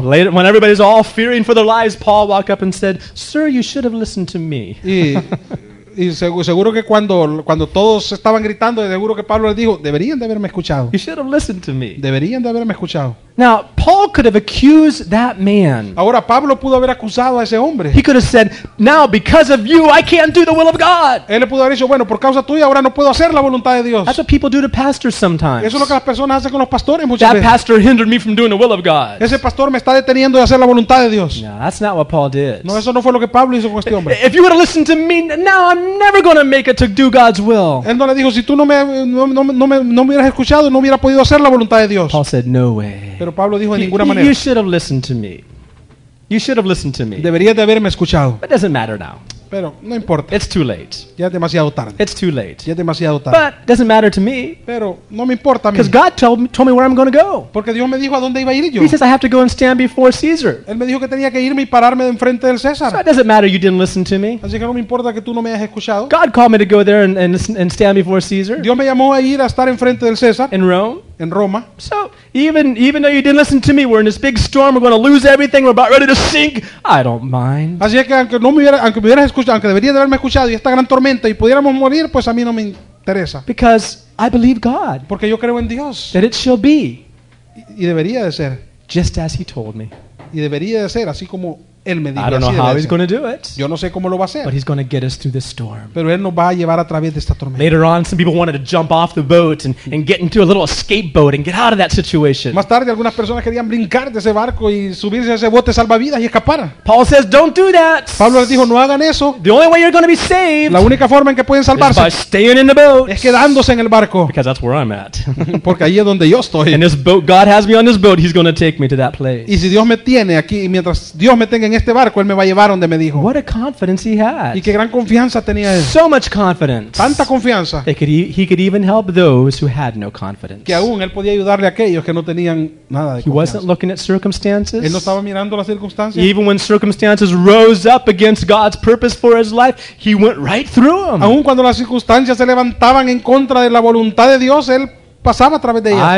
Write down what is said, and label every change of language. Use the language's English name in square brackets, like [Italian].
[English] Later, when everybody's all fearing for their lives, Paul walked up and said, "Sir, you should have listened to me." [Spanish] Y seguro que cuando todos estaban gritando, seguro que Pablo les dijo, "Deberían de haberme escuchado." [English] You should have listened to me. [Spanish] Deberían de haberme escuchado. [English] Now, Paul could have accused that man. [Spanish] Ahora Pablo pudo haber acusado a ese hombre. [English] He could have said, "Now because of you, I can't do the will of God." [Spanish] Él le pudo haber dicho, "Bueno, por causa tuya ahora no puedo hacer la voluntad de Dios." [English] That's what people do to pastors sometimes. [Spanish] Eso es lo que las personas hacen con los pastores muchas [English] that [Spanish] veces. [English] That pastor hindered me from doing the will of God. [Spanish] Ese pastor me está deteniendo de hacer la voluntad de Dios. [English] No, that's not what Paul did. [Spanish] No, eso no fue lo que Pablo hizo con este hombre. [English] If you would have listened to me, now I'm never going to make it to do God's will. [Spanish] Él no le dijo, "Si tú no me hubieras escuchado, no hubiera podido hacer la voluntad de Dios." [English] Paul said, "No way." [Spanish] Pero Pablo dijo de ninguna [English] you [Spanish] manera. [English] You should have listened to me. You should have listened to me. [Spanish] Debería de haberme escuchado. [English] But it doesn't matter now. [Spanish] Pero no importa. [English] It's too late. [Spanish] Ya es demasiado tarde. [English] It's too late. [Spanish] Ya es demasiado tarde. [English] But it doesn't matter to me. [Spanish] Pero no me importa a mí. [English] Because God told me where I'm going to go. [Spanish] Porque Dios me dijo a dónde iba a ir yo. [English] He says I have to go and stand before Caesar. [Spanish] Él me dijo que tenía que irme y pararme enfrente del César. [English] So it doesn't matter you didn't listen to me. [Spanish] Así que no me importa que tú no me hayas escuchado. [English] God called me to go there and stand before Caesar. [Spanish] Dios me llamó a ir a estar enfrente del César. [English] In Rome. [Spanish] en Roma. [English] So even though you didn't listen to me, we're in this big storm, we're going to lose everything, we're about ready to sink. I don't mind. [Spanish] Así es que aunque no me hubiera, aunque me hubieras escuchado, aunque deberías de haberme escuchado y esta gran tormenta y pudiéramos morir, pues a mí no me interesa. [English] Because I believe God. [Spanish] Porque yo creo en Dios. [English] That it shall be. [Spanish] Y debería de ser. [English] Just as he told me. [Spanish] Y debería de ser así como él me dijo. [English] I don't know how he's going to do it. [Spanish] Yo no sé cómo lo va a hacer. [English] But he's going to get us through this storm. [Spanish] Pero él nos va a llevar a través de esta tormenta. [English] Later on, some people wanted to jump off the boat and get into a little escape boat and get out of that situation. [Spanish] Más tarde, algunas personas querían brincar de ese barco y subirse a ese bote salvavidas y escapar. [English] Paul says, "Don't do that." [Spanish] Pablo les dijo, no hagan eso. [English] The only way you're going to be saved. [Spanish] La única forma en que pueden salvarse [English] is by staying in the boat. [Spanish] Es quedándose en el barco. [English] Because that's where I'm at. [Spanish] Porque ahí es donde yo estoy. [English] And this boat, God has me on this boat. He's going to take me to that place. [Spanish] Y si Dios me tiene aquí y mientras Dios me tenga en este barco, él me va a llevar donde me dijo. [English] What a confidence he had. [Spanish] Y qué gran confianza tenía él. [English] So much confidence. [Spanish] Tanta confianza. [English] He could even help those who had no confidence. [Spanish] Que aún él podía ayudarle a aquellos que no tenían nada de confianza. [English] He wasn't looking at circumstances. [Spanish] Él no estaba mirando las circunstancias. [English] Even when circumstances rose up against God's purpose for his life, he went right through them. [Spanish] Aún cuando las circunstancias se levantaban en contra de la voluntad de Dios, él pasaba a través de ellas.